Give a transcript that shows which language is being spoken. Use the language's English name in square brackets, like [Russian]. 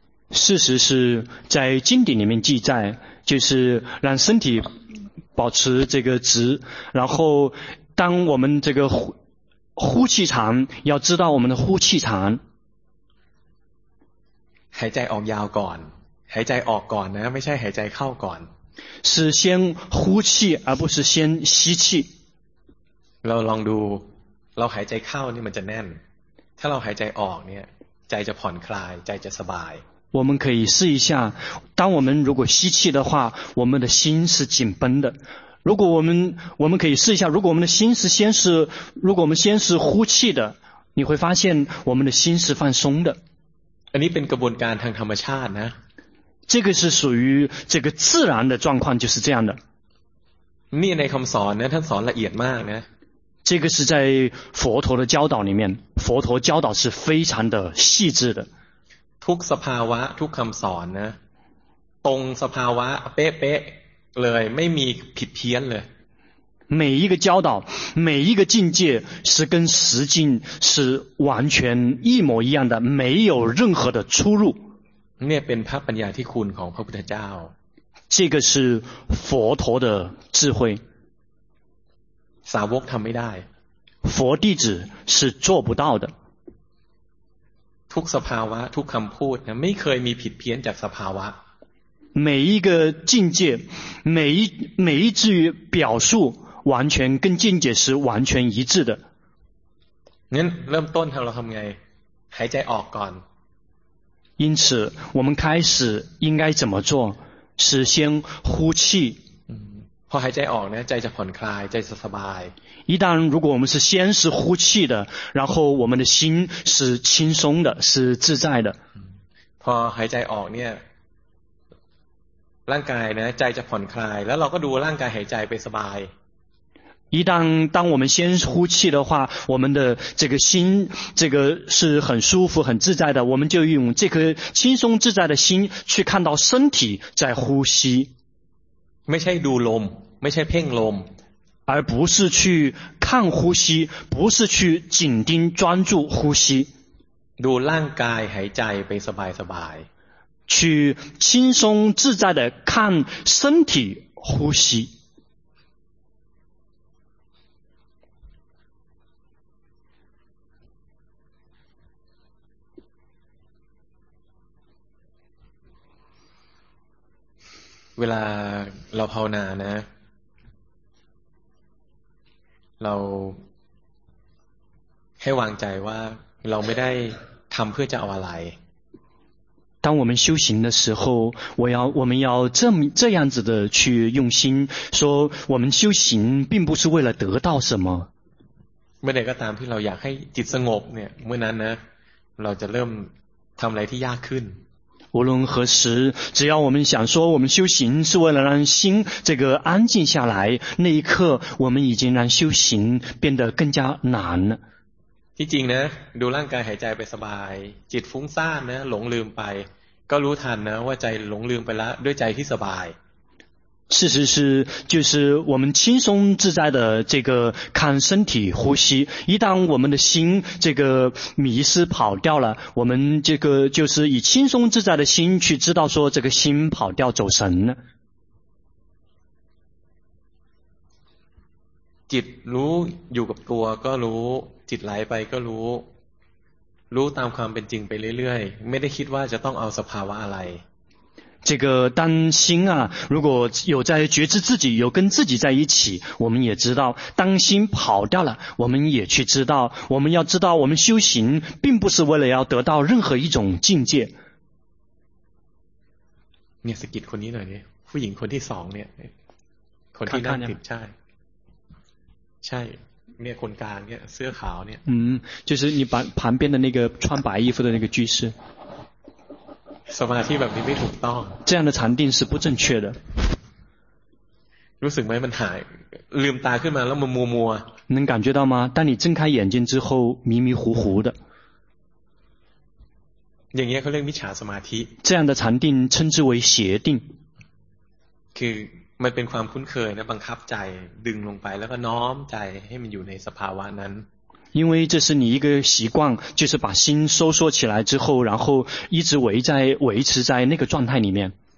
[Chinese] 事实是在经典里面记载，就是让身体保持这个直，然后当我们这个 呼气长，要知道我们的呼气长。 [Thai] 海在ออกยาวก่อน，海在ออกก่อนนะ，ไม่ใช่海在เข้าก่อน。 [Chinese] 是先呼气，而不是先吸气。 [Thai] เราลองดู，เราหายใจเข้านี่มันจะแน่น，ถ้าเราหายใจออกเนี่ย，ใจจะผ่อนคลาย，ใจจะสบาย。 [Chinese] 我们可以试一下，当我们如果吸气的话，我们的心是紧绷的。如果我们可以试一下，如果我们的心是先是，如果我们先是呼气的，你会发现我们的心是放松的。 [Thai] อันนี้เป็นกระบวนการทางธรรมชาตินะ。 [Chinese] 这个是属于这个自然的状况，就是这样的。 [Thai] นี่ในคำสอนนะท่านสอนละเอียดมากนะ。 [Chinese] 这个是在佛陀的教导里面，佛陀教导是非常的细致的。 [Thai] ทุกสภาวะทุกคำสอนนะตรงสภาวะเป๊ะๆเลยไม่มีผิดเพี้ยนเลย [Chinese] 每一个教导每一个境界是跟实境是完全一模一样的没有任何的出入 [Thai] เนี่ยเป็นพระปัญญาที่คุณของพระพุทธเจ้า [Chinese] 这个是佛陀的智慧 [Thai] สาวกทำไม่ได้ [Chinese] 佛弟子是做不到的 [Thai] ทุกสภาวะทุกคำพูดนะไม่เคยมีผิดเพี้ยนจากสภาวะ [Chinese] 每一个境界每一句表述完全跟境界是完全一致的 [Thai] งั้นเริ่มต้นเราทำไงหายใจออกก่อน [Chinese] 因此我们开始应该怎么做是先呼气 [Thai] พอหายใจออกนะใจจะผ่อนคลายใจจะสบาย [Chinese] 一旦如果我们是先是呼气的然后我们的心是轻松的是自在的 [Thai] พอหายใจออกเนี่ยร่างกายนะใจจะผ่อนคลายแล้วเราก็ดูร่างกายหายใจไปสบาย [Chinese] 一旦当我们先呼气的话我们的这个心这个是很舒服很自在的我们就用这颗轻松自在的心去看到身体在呼吸 [Thai] ไม่ใช่ดูลมไม่ใช่เพ่งลม [Chinese] 而不是去看呼吸不是去紧盯专注呼吸 [Thai] ดูร่างกายหายใจไปสบายสบาย [Chinese] 去轻松自在的看身体呼吸 [Thai] เวลาเราภาวนานะเราให้วางใจว่าเราไม่ได้ทำเพื่อจะเอาอะไร [Chinese] 当我们修行的时候我们要这样子的去用心说我们修行并不是为了得到什么 [Thai] เมื่อใดก็ตามที่เราอยากให้จิตสงบเนี่ยเมื่อนั้นนะเราจะเริ่มทำอะไรที่ยากขึ้น [Chinese] 无论何时只要我们想说我们修行是为了让心这个安静下来那一刻我们已经让修行变得更加难 [Thai] ที่จริงนะดูร่างกายหายใจไปสบายจิตฟุ้งซ่านนะหลงลืมไปก็รู้ทันนะว่าใจหลงลืมไปแล้วด้วยใจที่สบาย [Chinese] 事实是就是我们轻松自在的这个看身体呼吸一旦我们的心这个迷失跑掉了我们这个就是以轻松自在的心去知道说这个心跑掉走神了 [Thai] จิตรู้อยู่กับตัวก็รู้จิตไหลไปก็รู้รู้ตามความเป็นจริงไปเรื่อยๆไม่ได้คิดว่าจะต้องเอาสภาวะอะไร [Chinese] 这个当心啊如果有在觉知自己有跟自己在一起我们也知道当心跑掉了我们也去知道我们要知道我们修行并不是为了要得到任何一种境界你是给你的父亲和第三年和第三年在在那混干的思考呢嗯就是你把旁边的那个穿白衣服的那个居士 [Thai] สมาธิแบบนี้ไม่ถูกต้อง [Chinese] 这样的禅定是不正确的 [Thai] รู้สึกไหมมันหายลืมตาขึ้นมาแล้วมันมัว [Chinese] 能感觉到吗当你睁开眼睛之后迷迷糊糊的 [Thai] อย่างนี้เขาเรียกมิจฉาสมาธิ [Chinese] 这样的禅定称之为邪定 [Thai] คือมันเป็นความคุ้นเคยนะบังคับใจดึงลงไปแล้วก็น้อมใจให้มันอยู่ในสภาวะนั้น [Chinese] 因为这是你一个习惯，就是把心收缩起来之后，然后一直维持在那个状态里面。